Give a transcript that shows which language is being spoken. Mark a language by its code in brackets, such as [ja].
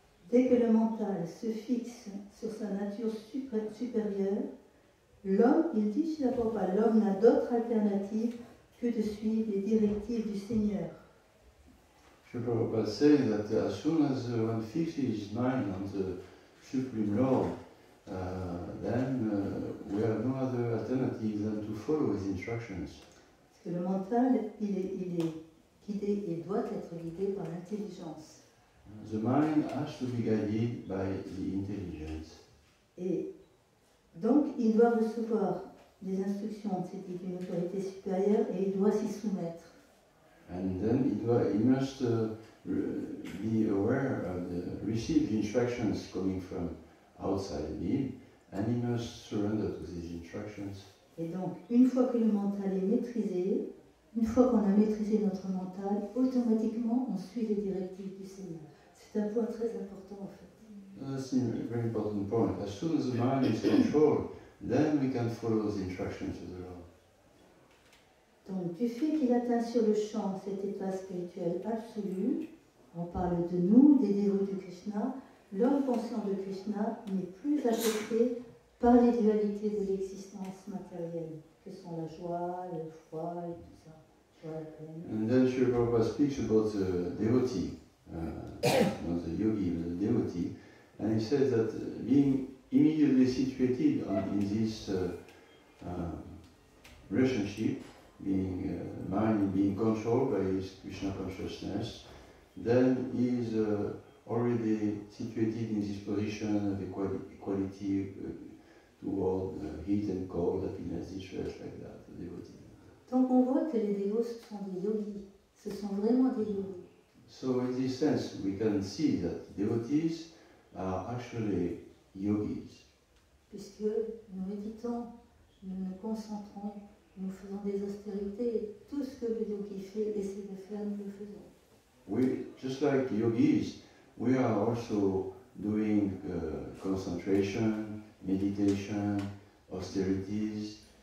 [fr] Dès que le mental se fixe sur sa nature supérieure, l'homme, il dit, si la pas, l'homme n'a d'autre alternative que que de suivre les directives du Seigneur. Je peux pas dire [en] that as soon as one fixes his mind on the Supreme Lord, then we have no other alternative than to follow his instructions. [fr] Parce que le mental, il est guidé, il doit être guidé par l'intelligence. [en] The mind has to be guided by the intelligence. [fr] Et donc, il doit recevoir des instructions de cette divine autorité supérieure et il doit s'y soumettre. [en] And then he must be aware of the received instructions coming from outside him, and he must surrender to these instructions. [fr] Et donc, une fois que le mental est maîtrisé, une fois qu'on a maîtrisé notre mental, automatiquement, on suit les directives du Seigneur. C'est un point très important, en fait. [en] That's a very important point. As soon as the mind is controlled, then we can follow the instructions of the Lord. [fr] Donc, du fait qu'il atteint sur le champ cet état spirituel absolu, on parle de nous, des dévots de Krishna, l'homme conscient de Krishna n'est plus affecté par les dualités de l'existence matérielle, que sont la joie, le froid et tout ça. [en] And then Sri Prabhupada speaks about the devotee, not the yogi, but the devotee, and he says that being immediately situated in this relationship, being controlled by his Krishna consciousness, then he is already situated in this position of equality toward heat and cold, happiness, distress, like that, the devotee. [fr] Donc on voit que les dévots, ce sont des yogis, ce sont vraiment des yogis. [en] So in this sense, we can see that devotees are actually yogis. [fr] Puisque nous méditons, nous nous concentrons, nous faisons des austérités, tout ce que le yogi fait, essaie de faire, nous le faisons. [en] We, just like yogis, we are also doing concentration, meditation, austerities.